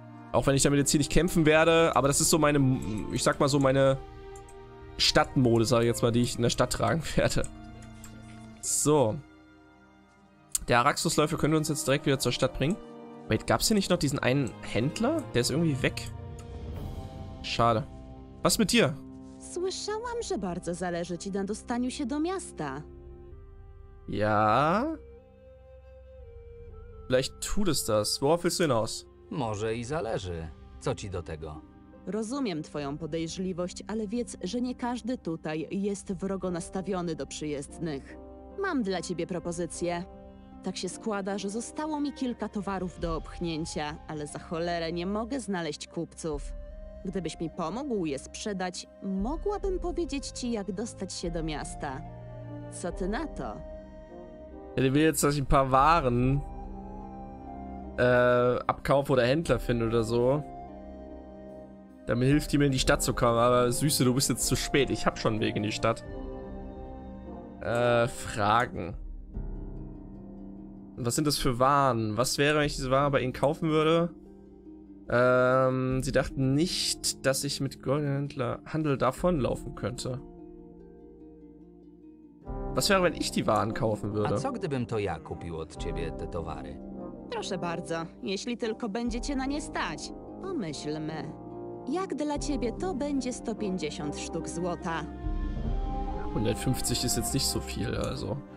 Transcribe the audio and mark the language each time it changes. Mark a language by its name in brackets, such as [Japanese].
[German] Auch wenn ich damit jetzt hier nicht kämpfen werde, aber das ist so meine, ich sag mal so meine Stadtmode, sag ich jetzt mal, die ich in der Stadt tragen werde. So. Der Araxusläufer können wir uns jetzt direkt wieder zur Stadt bringen. Wait, gab's hier nicht noch diesen einen Händler? Der ist irgendwie weg. Schade. Was mit dir? [Polish] Słyszałam, że bardzo zależy ci na dostaniu się do miasta. [German] Ja? Vielleicht tut es das. Worauf willst du hinaus? [Polish] Może i zależy. Co ci do tego? Rozumiem twoją podejrzliwość, ale wiedz, że nie każdy tutaj jest wrogo nastawiony do przyjezdnych. Mam dla ciebie propozycję. Tak się składa, że zostało mi kilka towarów do obchnięcia, ale za cholerę nie mogę znaleźć kupców. Gdybyś mi pomógł je sprzedać, mogłabym powiedzieć ci, jak dostać się do miasta. Co ty na to? [German] Ja, ich will jetzt, dass ich ein paar Waren abkaufe oder Händler finde oder so. Damit hilft die mir, in die Stadt zu kommen. Aber Süße, du bist jetzt zu spät. Ich hab schon einen Weg in die Stadt. Fragen. Was sind das für Waren? Was wäre, wenn ich diese Waren bei ihnen kaufen würde? Sie dachten nicht, dass ich mit Goldhandel davonlaufen könnte. Was wäre, wenn ich die Waren kaufen würde? [Polish] A co gdybym to ja kupił od ciebie te towary? Proszę bardzo, jeśli tylko będziecie na nie stać. Pomyślmy. Jak dla ciebie to będzie 150 sztuk złota? [German] 150 ist jetzt nicht so viel, also.